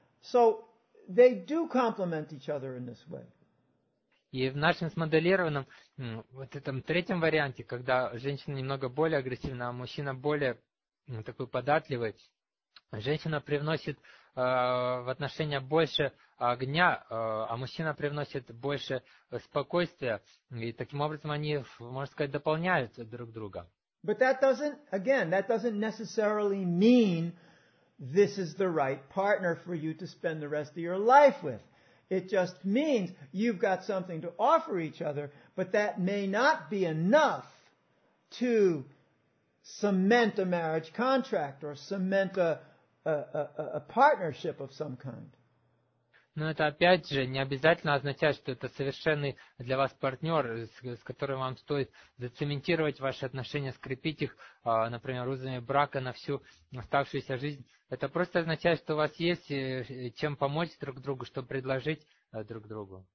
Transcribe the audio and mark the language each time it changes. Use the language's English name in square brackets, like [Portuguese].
[English] So they do complement each other in this way. [Russian] И в нашем смоделированном, вот этом третьем варианте, когда женщина немного более агрессивна, а мужчина более такой податливый, женщина привносит в отношения больше огня, а мужчина привносит больше спокойствия, и таким образом они, можно сказать, дополняют друг друга. [English] But that doesn't, again, that doesn't necessarily mean this is the right partner for you to spend the rest of your life with. It just means you've got something to offer each other, but that may not be enough to cement a marriage contract or cement a partnership of some kind. [Russian] Но это опять же не обязательно означает, что это совершенный для вас партнер, с которым вам стоит зацементировать ваши отношения, скрепить их, например, узами брака на всю оставшуюся жизнь. Это просто означает, что у вас есть чем помочь друг другу, что предложить друг другу.